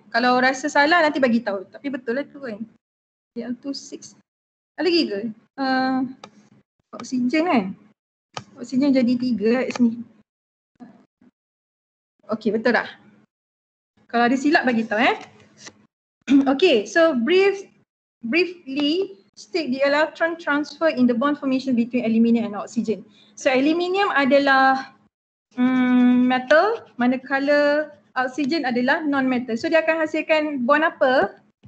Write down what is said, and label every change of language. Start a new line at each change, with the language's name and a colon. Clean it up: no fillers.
Malay: Kalau rasa salah nanti bagi tahu. Tapi betul lah tu kan. Al2O6. Ada lagi ke? Oksigen kan. Oksigen jadi 3 kat sini. Okay, betul dah. Kalau ada silap bagi tahu eh.
English: Okay, so briefly state the electron transfer in the bond formation between aluminium and oxygen.
Malay: So aluminium adalah metal, manakala oxygen adalah non-metal. So dia akan hasilkan bond apa?